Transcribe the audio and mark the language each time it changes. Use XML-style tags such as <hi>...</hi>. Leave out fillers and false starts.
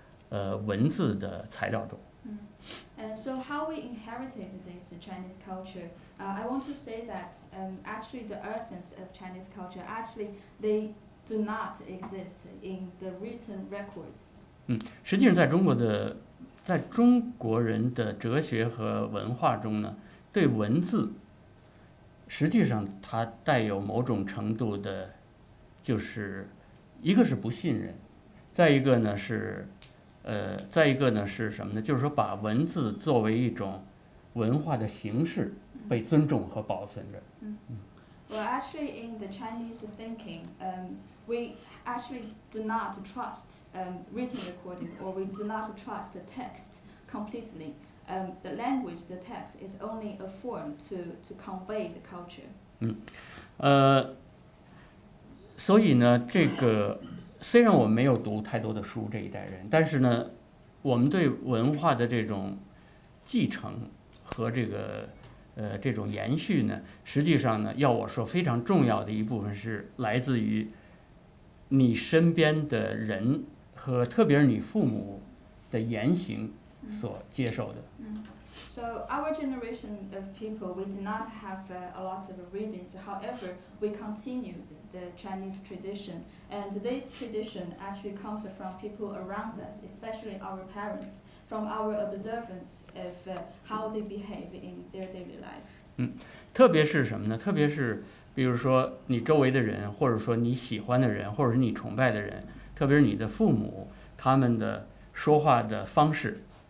<zh>但是呢，在我看来呢，实际上这个我们的这个传统文化是怎么样被我们所接受的？我想谈第一点，就是说，实际上中国的这个文化的这个核心的部分哈，它有的时候呢未必是在被记载的文字的材料中。</zh> <en>And so how we inherited this Chinese culture, I want to say that actually the essence of Chinese culture, actually they do not exist in the written records.</en> <zh>实际上在中国人的哲学和文化中呢，对文字，实际上它带有某种程度的，就是一个是不信任，再一个呢是什么呢？就是说把文字作为一种文化的形式被尊重和保存着。</zh> <en>嗯 Well, actually, in the Chinese thinking, we actually do not trust written recording, or we do not trust the text completely. The language, the text, is only a form to convey the culture.</en> <zh>所以呢，这个虽然我没有读太多的书，这一代人，但是呢，我们对文化的这种继承和这个这种延续呢，实际上呢，要我说非常重要的一部分是来自于你身边的人和特别是你父母的言行所接受的。</zh> <en>So our generation of people, we did not have a lot of readings. However, we continued the Chinese tradition. And this tradition actually comes from people around us, especially our parents, from our observance of how they behave in their daily life.</en> <zh>特别是什么呢？特别是比如说你周围的人，或者说你喜欢的人，或者是你崇拜的人，特别是你的父母，他们的说话的方式。</zh>